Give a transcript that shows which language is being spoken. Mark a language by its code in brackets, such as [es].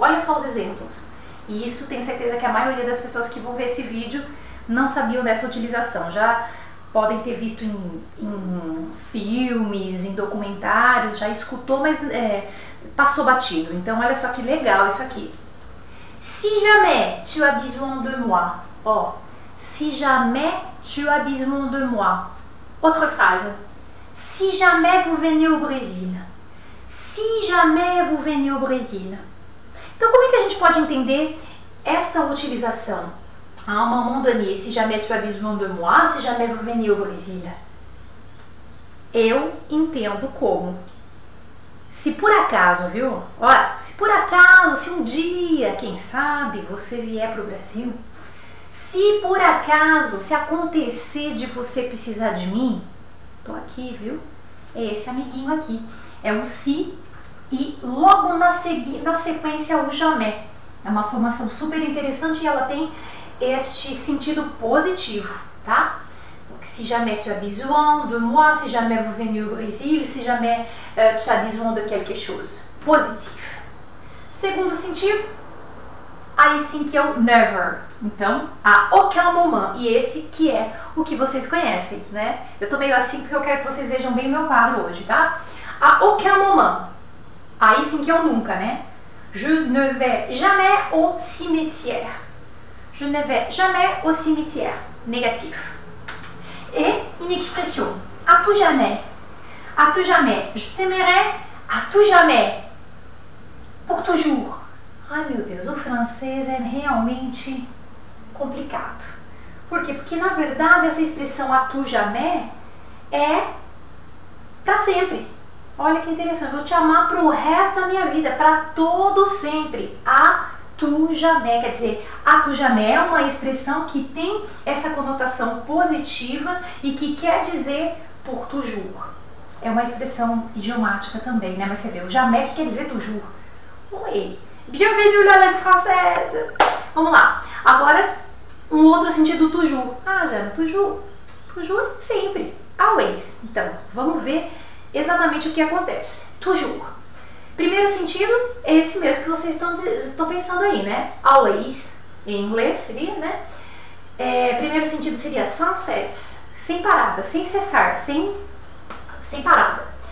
[pt] Olha só os exemplos. E isso tenho certeza que a maioria das pessoas que vão ver esse vídeo não sabiam dessa utilização. Já podem ter visto em filmes, em documentários, já escutou, mas passou batido. Então olha só que legal isso aqui. [fr] Si jamais tu as besoin de moi. Oh, si jamais tu as besoin de moi. [pt] Outra frase. [fr] Si jamais vous venez au Brésil. Si jamais vous venez au Brésil. [pt] Então, como é que a gente pode entender esta utilização? [fr] À un moment donné, si jamais tu as besoin de moi, si jamais vous venez au Brésil. [pt] Eu entendo como. Se por acaso, viu? Olha, se por acaso, se um dia, quem sabe, você vier para o Brasil, se por acaso, se acontecer de você precisar de mim, tô aqui, viu? É esse amiguinho aqui. É o si. E logo na sequência, o jamais. É uma formação super interessante e ela tem este sentido positivo, tá? [fr] Si jamais tu as besoin de moi, si jamais vous venez au Brésil, si jamais tu as besoin de quelque chose. [pt] Positivo. Segundo sentido, aí sim que é o never. Então, [fr] a aucun moment. [pt] E esse que é o que vocês conhecem, né? Eu tô meio assim porque eu quero que vocês vejam bem o meu quadro hoje, tá? [fr] A aucun moment. [pt] Aí sim que é o nunca, né? [fr] Je ne vais jamais au cimetière. Je ne vais jamais au cimetière. Négatifs. Et une expression. À tout jamais. À tout jamais. Je t'aimerai à tout jamais. Pour toujours. [pt] Ai meu Deus, o francês é realmente complicado. Por quê? Porque na verdade essa expressão [fr] à tout jamais [pt] é pra sempre. Olha que interessante, vou te amar para o resto da minha vida, para todo sempre. A tu jamais, quer dizer, a tu jamais é uma expressão que tem essa conotação positiva e que quer dizer por toujours. É uma expressão idiomática também, né? Mas você vê, o jamais que quer dizer toujours. [fr] Oi, bienvenue à la langue française. [pt] Vamos lá, agora um outro sentido, toujours. Ah, Jana, toujours, toujours, sempre, always. Então, vamos ver exatamente o que acontece. Toujours. Primeiro sentido é esse mesmo que vocês estão pensando aí, né? Always, em inglês seria, né? É, primeiro sentido seria [fr] sans cesse, [pt] sem parada, sem cessar, sem parada.